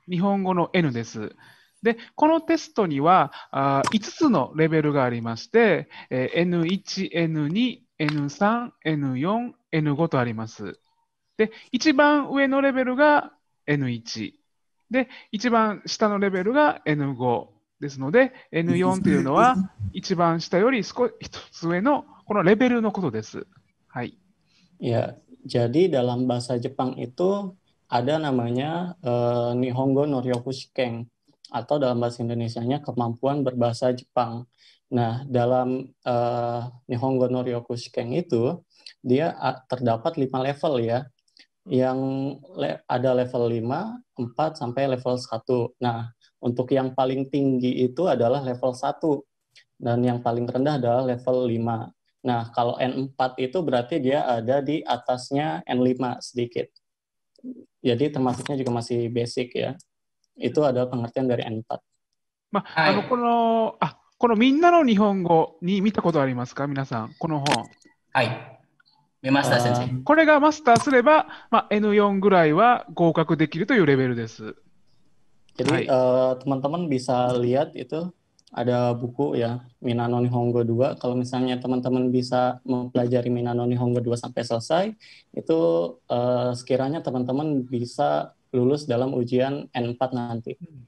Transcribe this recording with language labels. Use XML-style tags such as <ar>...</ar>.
<ja>日本語の N です。で、このテストには5つのレベルがありまして、N1、N2、N3、N4、N5 とあります。で、一番上のレベルが N1。で、一番下のレベルが N5。ですので N4 というのは一番下より少し一つ上のこのレベルのことです。はい。</ja> <id>いや、jadi dalam bahasa Jepang itu ada namanya Nihongo Noryoku Shiken atau dalam bahasa Indonesianya kemampuan berbahasa Jepang. Nah, dalam Nihongo Noryoku Shiken itu dia terdapat 5 level ya. Yang ada level 5, 4 sampai level 1. Nah, untuk yang paling tinggi itu adalah level 1 dan yang paling rendah adalah level 5. Nah, kalau N4 itu berarti dia ada di atasnya N5 sedikit. Jadi termasuknya juga masih basic ya. Itu adalah pengertian dari N4.</id> <ja>Ma, この、あ、このみんなの日本語に見たことありますか、皆さん、この本。はい。見ました、先生。これがマスターすれば、ま、N4 ぐらいは合格できるというレベルです。</ja> <id>Jadi teman-teman bisa lihat itu ada buku ya Minano Nihongo 2. Kalau misalnya teman-teman bisa mempelajari Minano Nihongo 2 sampai selesai, itu sekiranya teman-teman bisa lulus dalam ujian N4 nanti.</id>